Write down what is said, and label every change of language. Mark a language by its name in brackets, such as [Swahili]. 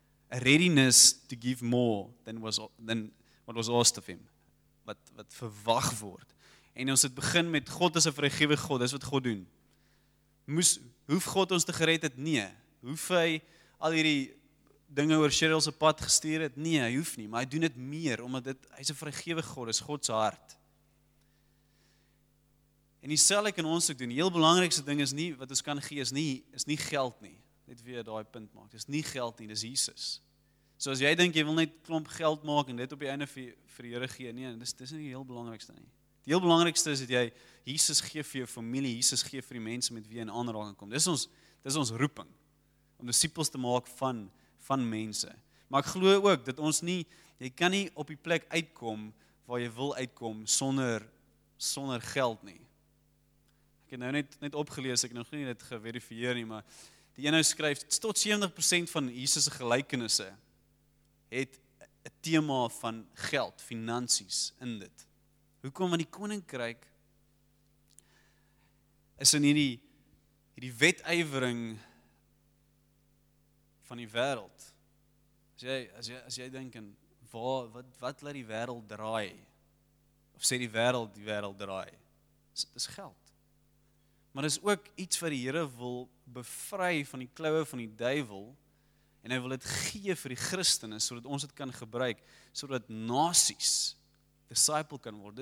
[English] A readiness to give more than what was asked of him. [Afrikaans] Wat verwag word. En ons het begin met God is 'n vrygewige God, dis wat God doen. Hoef God ons te gered het? Nee. Hoef hy al hierdie dinge oor Cheryl se pad gestuur het? Nee, hy hoef nie, maar hy doen dit meer, omdat dit, hy is 'n vrygewige God, is God se hart. En die sel ek in ons ook doen, die heel belangrikste ding is nie, wat ons kan gee, is nie geld nie, net weer daai punt maak, dis nie geld nie, dis Jesus. So as jy dink, jy wil net klomp geld maak, en dit op die einde vir die Here gee, nee, dis nie die heel belangrikste nie. Die heel belangrikste is, dat jy Jesus gee vir jou familie, Jesus gee vir die mense met wie jy in aanraking kom. Dis ons roeping, om disippels te maak van mense. Maar ek glo ook, dat ons nie, jy kan nie op die plek uitkom, waar jy wil uitkom, sonder geld nie. Ek het nou net opgelees, ek nog nie dit geverifieer nie, maar die ene skryf, tot 70% van Jesus' gelykenisse het een thema van geld, finansies in dit. Hoekom, want die koninkryk is in hierdie wetywering van die wêreld. As jy dink en wat laat die wêreld draai? Of sê die wêreld draai? Dis geld. Maar dis ook iets wat die Here wil bevry van die kloue van die duivel en hy wil dit gee vir die Christene sodat ons dit kan gebruik sodat nasies disciple kan word.